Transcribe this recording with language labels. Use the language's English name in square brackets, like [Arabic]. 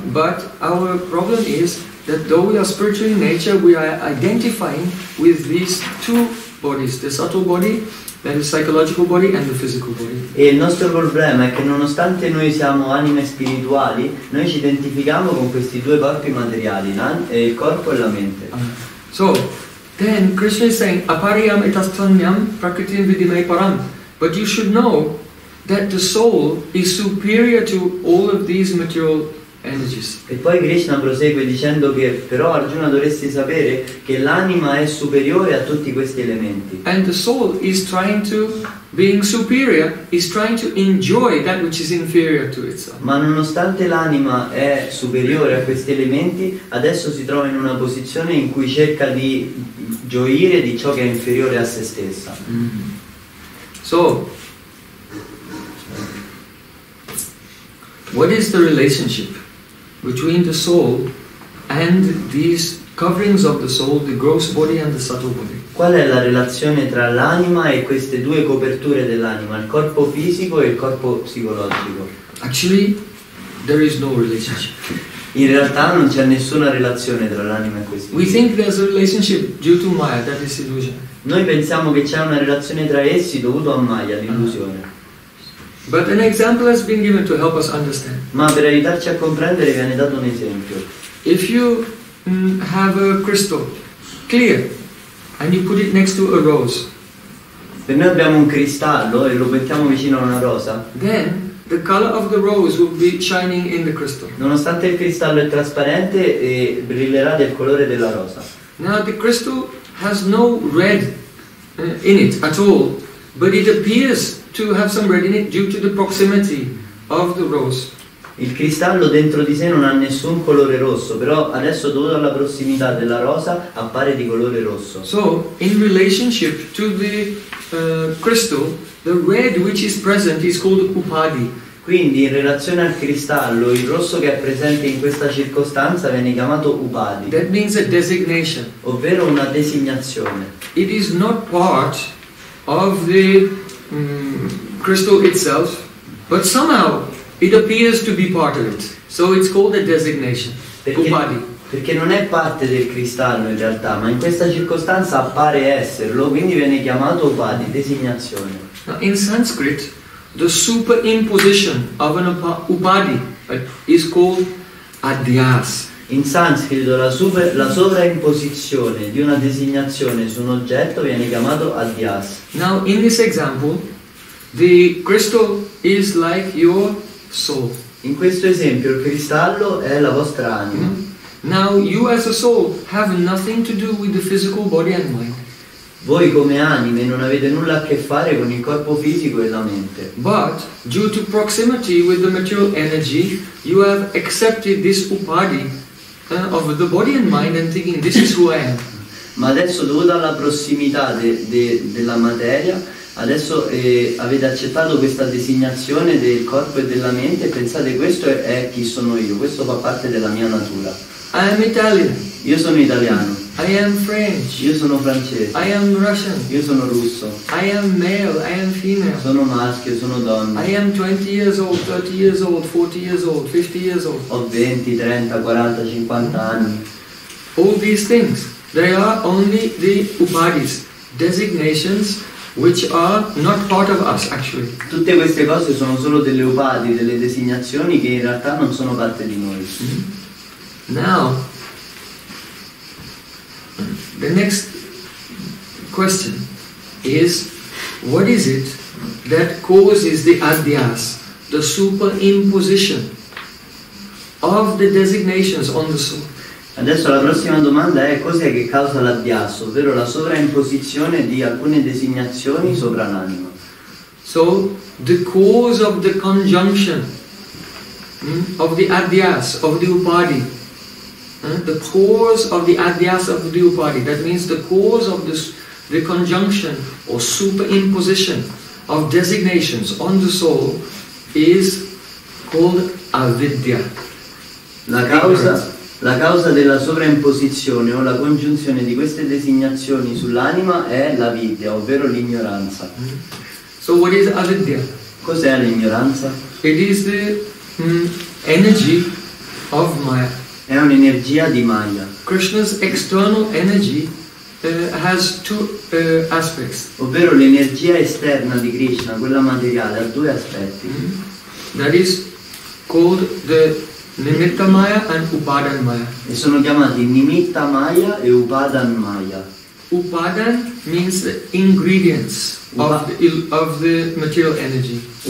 [English] But our problem is that though we are spiritual in nature, we are identifying with these two bodies, the subtle body, then the psychological body and the physical body. [Italian] E il nostro problema è che nonostante noi siamo anime spirituali, noi ci identifichiamo con questi due corpi materiali, il corpo e la mente. [English] So, then Krishna is saying, [Sanskrit] apariyam etastanyam prakritim vidimai param. [English] But you should know that the soul is superior to all of these material energies. [Italian] E poi Krishna prosegue dicendo che però Arjuna dovresti sapere che l'anima è superiore a tutti questi elementi. [English] And the soul is trying to, being superior, is trying to enjoy that which is inferior to itself. [Italian] Ma nonostante l'anima è superiore a questi elementi, adesso si trova in una posizione in cui cerca di gioire di ciò che è inferiore a se stessa. Mm-hmm. [English] So, what is the relationship between the soul and these coverings of the soul, the gross body and the subtle body? [Italian] Qual è la relazione tra l'anima e queste due coperture dell'anima, il corpo fisico e il corpo psicologico? [English] Actually, there is no relationship. [Italian] In realtà non c'è nessuna relazione tra l'anima e questi. [English] We think there's a relationship due to Maya, that is illusion. [Italian] Noi pensiamo che c'è una relazione tra essi dovuto a Maya, l'illusione. [English] But an example has been given to help us understand. [Italian] Ma per aiutarci a comprendere viene dato un esempio. [English] If you have a crystal clear and you put it next to a rose. [Italian] Se noi abbiamo un cristallo e lo mettiamo vicino a una rosa, [English] then the color of the rose will be shining in the crystal. [Italian] Nonostante il cristallo è trasparente e brillerà del colore della rosa. [English] Now the crystal has no red in it at all, but it appears to have some red in it due to the proximity of the rose. [Italian] Il cristallo dentro di sé non ha nessun colore rosso, però adesso dovuto alla prossimità della rosa appare di colore rosso. [English] So, in relationship to the crystal, the red which is present is called upadi. [Italian] Quindi, in relazione al cristallo, il rosso che è presente in questa circostanza viene chiamato upadi. [English] That means a designation. [Italian] Ovvero una designazione. [English] It is not part of the crystal itself, but somehow it appears to be part of it. So it's called a designation. Upadi. [Italian] Perché non è parte del cristallo in realtà, ma in questa circostanza appare esserlo, quindi viene chiamato upadi, designazione. [English] Now, in Sanskrit, the superimposition of an upadi is called adhyas. [Italian] In sanscrito la sovraimposizione di una designazione su un oggetto viene chiamato adhyas. [English] Now in this example, the crystal is like your soul. [Italian] In questo esempio il cristallo è la vostra anima. [English] Now you as a soul have nothing to do with the physical body and mind. [Italian] Voi come anime non avete nulla a che fare con il corpo fisico e la mente. [English] But due to proximity with the material energy, you have accepted this upadi of the body and mind and thinking this is who I am. [Italian] Ma adesso dovuto alla prossimità della materia, adesso avete accettato questa designazione del corpo e della mente e pensate questo è chi sono io, questo fa parte della mia natura. [English] I am Italian. [Italian] Io sono italiano. [English] I am French. [Italian] Io sono francese. [English] I am Russian. [Italian] Io sono russo. [English] I am male, I am female. [Italian] Sono maschio, sono donna. [English] I am 20 years old, 30 years old, 40 years old, 50 years old. [Italian] Ho 20, 30, 40, 50 anni. [English] All these things, they are only the upadis, designations which are not part of us actually. [Italian] Tutte queste cose sono solo delle upadi, delle designazioni che in realtà non sono parte di noi. [English] Now, the next question is, what is it that causes the adhyas, the superimposition of the designations on the soul? [Italian] Adesso la prossima domanda è, cos'è che causa l'adhyas, ovvero la sovraimposizione di alcune designazioni sopra l'anima? [English] So, the cause of the conjunction of the adhyas, of the upadi, the cause of the adhyas of the upadi, that means the cause of the conjunction or superimposition of designations on the soul is called avidya. [Italian] La causa della sovraimposizione o la congiunzione di queste designazioni sull'anima è l'avidya, ovvero l'ignoranza. [English] So what is avidya? [Italian] Cos'è l'ignoranza? [English] It is the energy of Maya. [Italian] È un'energia di Maya. [English] Krishna's external energy has two aspects. [Italian] Ovvero l'energia esterna di Krishna, quella materiale, ha due aspetti. [English] That is called the Nimitta Maya and Upadan Maya. [Italian] E sono chiamati Nimitta Maya e Upadan Maya. [English] Upadan means the ingredients of the material energy.